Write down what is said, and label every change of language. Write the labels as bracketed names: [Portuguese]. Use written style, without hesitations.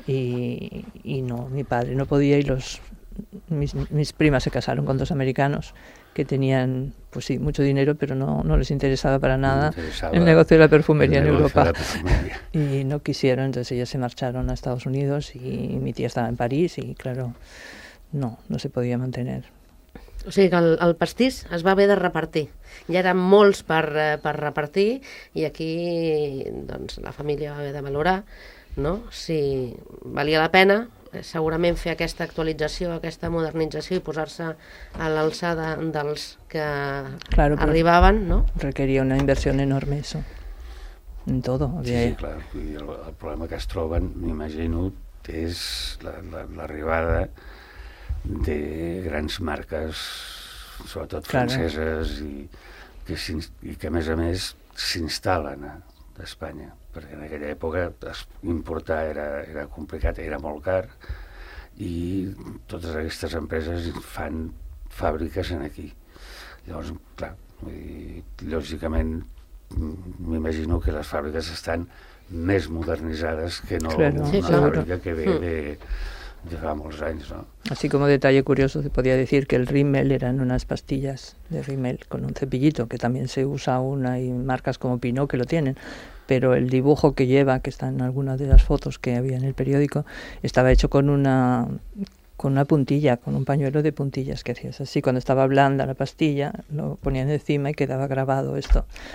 [Spanish] Y no, mi padre no podía y mis primas se casaron con dos americanos que tenían, pues sí, mucho dinero, pero no les interesaba para nada el negocio de la perfumería en Europa. Y no quisieron, entonces ellas se marcharon a Estados Unidos y mi tía estaba en París y, claro, no [Catalan] se podia mantenir. O sigui que el pastís es va haver de repartir. Ja eren molts per repartir i aquí doncs, la família va haver de valorar, no? Si valia la pena... segurament fer aquesta actualització, aquesta modernització i posar-se a l'alçada dels que [Spanish] claro, [Catalan] arribaven, no? Requeria una inversió enorme, això, en tot. Sí, clar, el problema que es troben, m'imagino, és l'arribada de grans marques, sobretot franceses, [Spanish] claro. [Catalan] I que a més s'instal·len d'Espanya, perquè en aquella època importar era complicat, era molt car, i totes aquestes empreses fan fàbriques aquí. Llavors, clar, lògicament m'imagino que les fàbriques estan més modernitzades que no [Spanish] claro, una sí, claro. [Catalan] Fàbrica que ve de fa molts anys, no? [Spanish] Así como detalle curioso, se podía decir que el Rimmel eran unas pastillas de Rimmel con un cepillito, que también se usa aún, hay marcas como Pinot que lo tienen, pero el dibujo que lleva, que está en algunas de las fotos que había en el periódico, estaba hecho con una puntilla, con un pañuelo de puntillas que hacías así, cuando estaba blanda la pastilla, lo ponían encima y quedaba grabado esto.